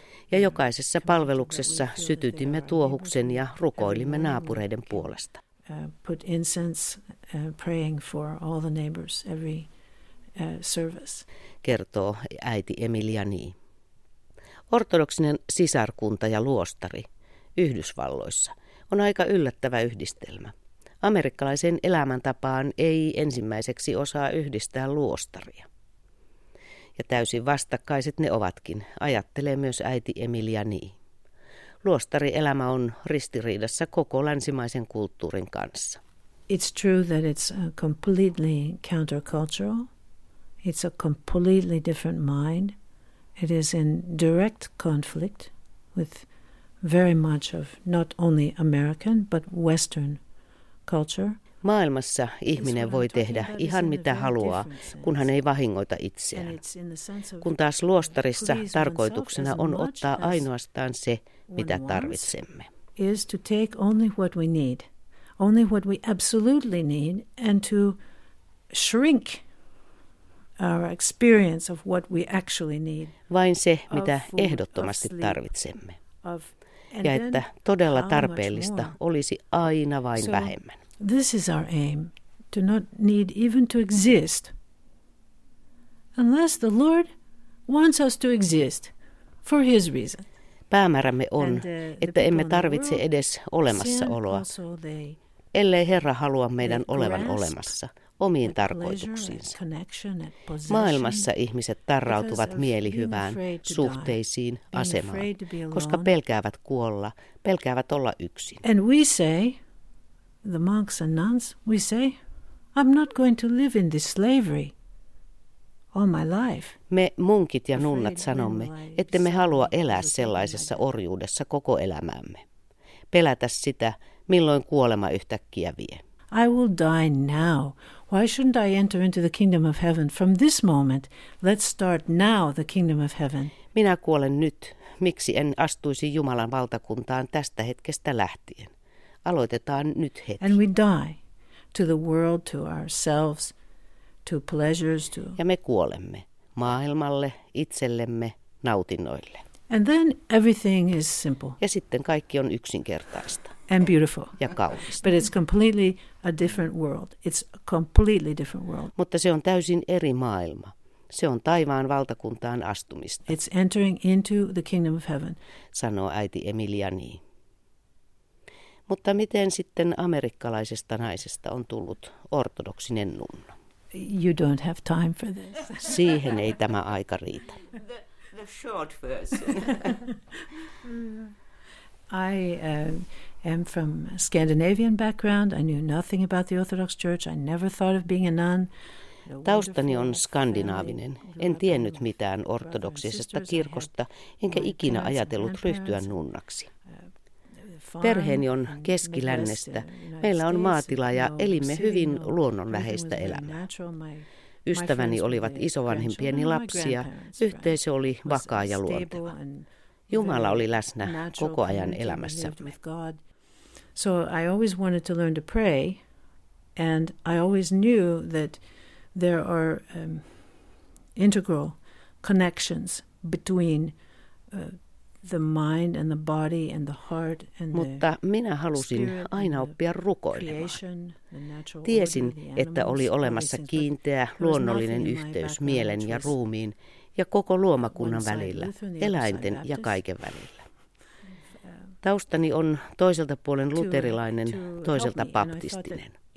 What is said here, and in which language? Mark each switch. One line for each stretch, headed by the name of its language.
Finnish: Ja jokaisessa palveluksessa sytytimme tuohuksen ja rukoilimme naapureiden puolesta.
English: Put incense praying for all the neighbors every service.
Finnish: Kertoo äiti Emilia Nii. Ortodoksinen sisarkunta ja luostari Yhdysvalloissa on aika yllättävä yhdistelmä. Amerikkalaisen elämäntapaan ei ensimmäiseksi osaa yhdistää luostaria. Ja täysin vastakkaiset ne ovatkin, ajattelee myös äiti Emilia Nii. Luostarielämä on ristiriidassa koko länsimaisen kulttuurin kanssa.
English: It's true that it's completely countercultural. It's a completely different mind. It is in direct conflict with very much of not only American but Western culture.
Finnish: Maailmassa ihminen voi tehdä ihan mitä haluaa, kun hän ei vahingoita itseään. Kun taas luostarissa tarkoituksena on ottaa ainoastaan se, mitä tarvitsemme.
English: Is to take only what we need, only what we absolutely need, and to shrink our experience of what we actually need.
Finnish: Vain se, mitä ehdottomasti tarvitsemme. Ja että todella tarpeellista olisi aina vain vähemmän.
English: This is our aim, to not need even to exist, unless the Lord wants us to exist for his reason.
Finnish: Päämäärämme on, että emme tarvitse edes olemassaoloa, ellei Herra halua meidän olevan olemassa omiin tarkoituksiinsa. Maailmassa ihmiset tarrautuvat mielihyvään, suhteisiin, asemaan, koska pelkäävät kuolla, pelkäävät olla yksin.
English: And we say, the monks and nuns, we say, I'm not going to live in this slavery all my life.
Finnish: Me munkit ja nunnat sanomme, että me halua elää sellaisessa orjuudessa koko elämäämme. Pelätä sitä, milloin kuolema yhtäkkiä vie.
English: I will die now. Why shouldn't I enter into the kingdom of heaven from this moment? Let's start now the kingdom of heaven.
Finnish: Minä kuolen nyt. Miksi en astuisi Jumalan valtakuntaan tästä hetkestä lähtien? Aloitetaan nyt heti.
English: And we die to the world, to ourselves, to pleasures, to.
Finnish: Ja me kuolemme maailmalle, itsellemme, nautinnoille.
English: And then everything is simple.
Finnish: Ja sitten kaikki on yksinkertaista.
English: And beautiful.
Finnish: Ja kaunista.
English: But it's completely a different world. It's a completely different world.
Finnish: Mutta se on täysin eri maailma. Se on taivaan valtakuntaan astumista.
English: It's entering into the kingdom of heaven.
Finnish: Sanoo äiti Emilia Nii. Mutta miten sitten amerikkalaisesta naisesta on tullut ortodoksinen nunna?
English: You don't have time for this.
Finnish: Siihen ei tämä aika riitä.
English: The short version. I am from Scandinavian background. I knew nothing about the Orthodox Church. I never thought of being a nun.
Finnish: Taustani on skandinaavinen. En tiennyt mitään ortodoksisesta kirkosta, enkä ikinä ajatellut ryhtyä nunnaksi. Perheeni on keskilännestä. Meillä on maatila ja elimme hyvin luonnonläheistä elämää. Ystäväni olivat isovanhempieni lapsia. Yhteisö oli vakaa ja luonteva. Jumala oli läsnä koko ajan elämässämme.
English: So I always wanted to learn to pray, and I always knew that there are integral connections between the mind and the body and the heart and the.
Finnish: Mutta minä halusin aina oppia rukoilemaan. Tiesin, että oli olemassa kiinteä luonnollinen yhteys mielen ja ruumiin, ja koko luomakunnan välillä, eläinten ja kaiken välillä. Taustani on toiselta puolen luterilainen, toiselta baptistinen.